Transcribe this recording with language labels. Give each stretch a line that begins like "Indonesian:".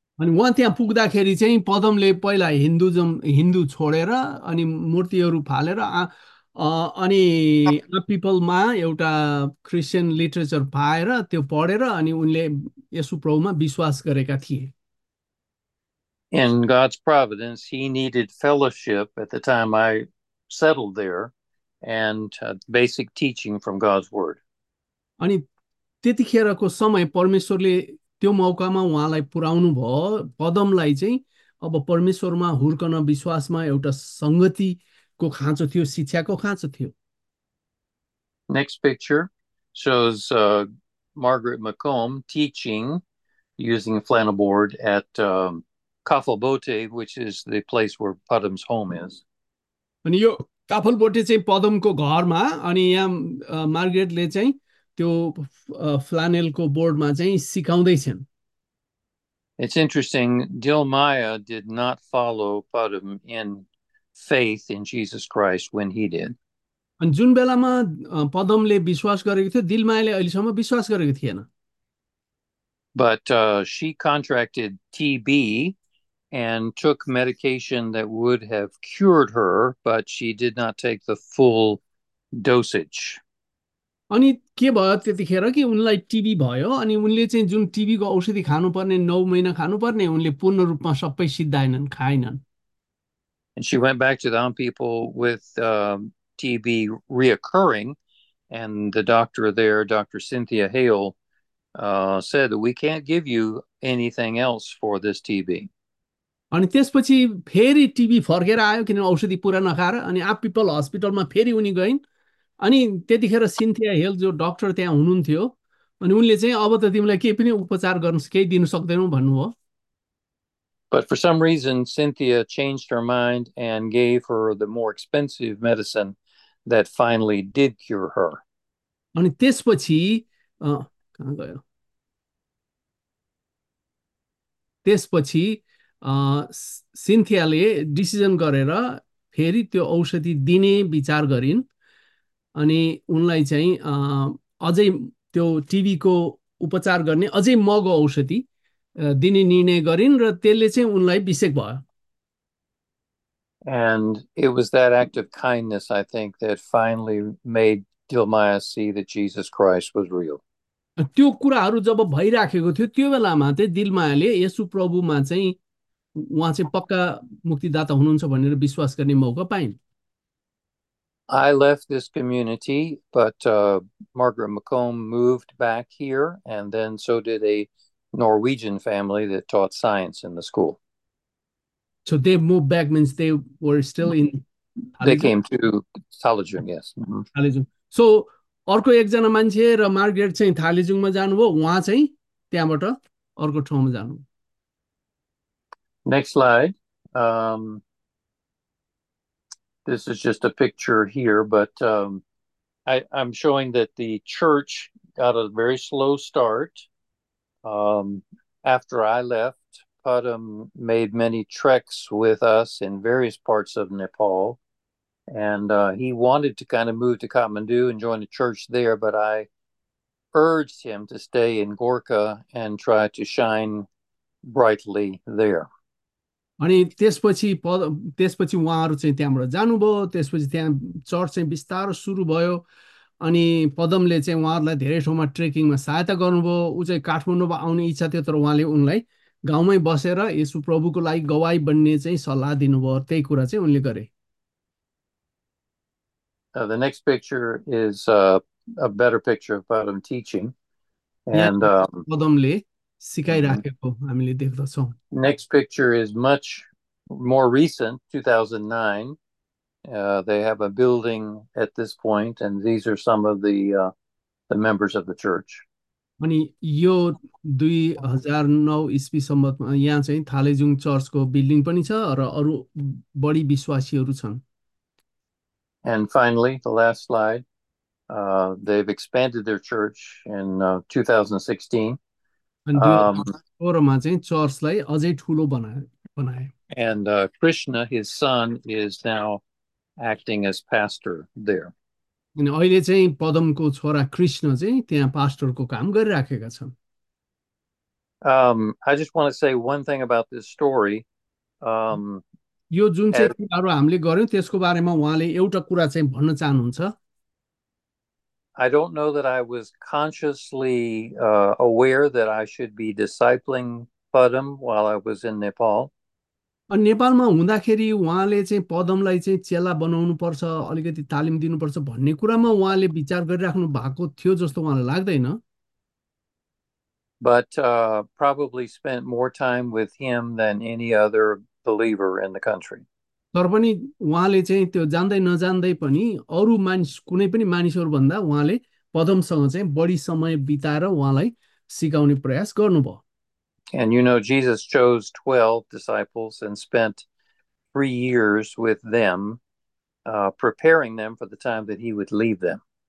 Nepali: अनि उहाँ त्यहाँ पुग्दाखेरि चाहिँ पदमले पहिला हिन्दुजम हिन्दू छोडेर अनि मूर्तिहरू फालेर अनि पिपलमा एउटा क्रिस्चियन लिटरेचर पाएर त्यो पढेर अनि उनले यसु प्रभुमा विश्वास गरेका थिए।
English: In God's providence, he needed fellowship at the time I settled there and basic teaching from God's word.
Nepali: अनि त्यतिखेरको समय परमेश्वरले त्यो मौकामा उहाँलाई पुर्याउनु भयो, पदमलाई चाहिँ अब परमेश्वरमा हुर्कन विश्वासमा एउटा संगतिको खाँचो थियो, शिक्षाको खाँचो थियो।
English: Next picture shows Margaret Macomb teaching using a flannel board at Kafelbote, which is the place where Putnam's home is.
Nepali: अनि यो काफलबोटे चाहिँ पदमको घरमा, अनि यहाँ मार्गरेटले चाहिँ त्यो फ्लानेलको बोर्डमा चाहिँ सिकाउँदैछन्।
English: It's interesting, Dilmaya did not follow Putnam in faith in Jesus Christ when he did.
Nepali: अनि जुन बेलामा पदमले विश्वास गरेको थियो, दिलमायाले अहिलेसम्म विश्वास गरेको थिएन।
English: But she contracted TB and took medication that would have cured her, but she did not take the full dosage.
Nepali: अनि के भयो त्यतिखेर कि उनलाई टिबी भयो, अनि उनले चाहिँ जुन टिबीको औषधि खानुपर्ने 9 महिना खानुपर्ने उनले पूर्ण रूपमा सबै सिद्धाएनन्, खाएनन्।
English: And she went back to the Aum people with TB reoccurring, and the doctor there, Dr. Cynthia Hale, said that we can't give you anything else for this TB.
Nepali: अनि त्यसपछि फेरि टिबी फर्केर आयो किन औषधि पुरा नखाएर, अनि आप पिपल हस्पिटलमा फेरि उनी गइन्। अनि त्यतिखेर सिन्थिया हेल जो डक्टर त्यहाँ हुनुहुन्थ्यो, अनि उनले चाहिँ अब त तिमीलाई केही पनि उपचार गर्नुहोस् केही दिनु सक्दैनौ भन्नुभयो।
English: But for some reason, Cynthia changed her mind and gave her the more expensive medicine that finally did cure her.
Nepali: अनि त्यसपछि कहाँ गयो, त्यसपछि सिन्थियाले डिसिजन गरेर फेरि त्यो औषधि दिने विचार गरिन्, अनि उनलाई चाहिँ अझै त्यो टिबीको उपचार गर्ने अझै महँगो औषधि दिने निर्णय गरिन् र त्यसले चाहिँ उनलाई अभिषेक भयो।
English: And it was that act of kindness, I think, that finally made Dilmaya see that Jesus Christ was real.
Nepali: त्यो कुराहरू जब भइराखेको थियो त्यो बेलामा चाहिँ दिलमायाले यसु प्रभुमा चाहिँ उहाँ चाहिँ पक्का मुक्तिदाता हुनुहुन्छ भनेर विश्वास गर्ने मौका पाइन्।
English: I left this community, but Margaret Macomb moved back here, and then so did a Norwegian family that taught science in the school. So they moved back means they were still in They Halizon. came to Salajun, yes. Halizon.
Nepali: So अर्को एकजना मान्छे र Margaret चाहिँ थालिजुङमा जानुभयो, उहाँ चाहिँ त्यहाँबाट अर्को ठाउँमा जानु।
English: Next slide. This is just a picture here, but I'm showing that the church got a very slow start. After I left, Padam made many treks with us in various parts of Nepal. And he wanted to kind of move to Kathmandu and join a church there, but I urged him to stay in Gorkha and try to shine brightly there.
Nepali: अनि त्यसपछि उहाँहरू चाहिँ त्यहाँबाट जानुभयो, त्यसपछि त्यहाँ church चाहिँ बिस्तारो सुरु भयो, अनि पदमले चाहिँ उहाँहरूलाई धेरै ठाउँमा ट्रेकिङमा सहायता गर्नुभयो। ऊ चाहिँ काठमाडौँमा आउने इच्छा थियो, तर उहाँले उनलाई गाउँमै बसेर यीशु प्रभुको लागि गवाही बन्ने चाहिँ सल्लाह दिनुभयो। त्यही कुरा चाहिँ उनले गरे।
English: The next picture is a better picture of Padam teaching.
Nepali: यहाँ
English: And
Nepali: पदमले सिकाइराखेको हामीले देख्दछौँ।
English: next picture is much more recent, 2009. They have a building at this point, and these are some of the members of the church.
Nepali: अनि यो 2009 इस्वी सम्बन्धमा यहाँ चाहिँ थालेजुङ चर्चको building पनि छ र अरू बढी विश्वासीहरू छन्।
English: And finally, the last slide, they've expanded their church in 2016.
Nepali: अनि 2016 चाहिँ चर्चलाई अझै ठुलो बनाए।
English: And Krishna, his son, is now acting as pastor there.
Nepali: अनि अहिले चाहिँ पदमको छोरा कृष्ण चाहिँ त्यहाँ पास्टरको काम गरिराखेका छन्।
English: I just want to say one thing about this story.
Nepali: यो जुन चाहिँ कुराहरू हामीले गर्यौँ त्यसको बारेमा उहाँले एउटा कुरा चाहिँ भन्न चाहनुहुन्छ।
English: I don't know that I was consciously aware that I should be discipling Padam while I was in Nepal.
Nepali: अनि नेपालमा हुँदाखेरि उहाँले चाहिँ पदमलाई चाहिँ चेला बनाउनु पर्छ, अलिकति तालिम दिनुपर्छ भन्ने कुरामा उहाँले विचार गरिराख्नु भएको थियो जस्तो उहाँलाई लाग्दैन।
English: But probably spent more time with him than any other believer in the country.
Nepali: तर पनि उहाँले चाहिँ त्यो जान्दै नजान्दै पनि अरू मानिस कुनै पनि मानिसहरूभन्दा उहाँले पदमसँग चाहिँ बढी समय बिताएर उहाँलाई सिकाउने प्रयास गर्नुभयो।
English: And you know, Jesus chose 12 disciples and spent 3 years with them, preparing them for the time that he would leave them.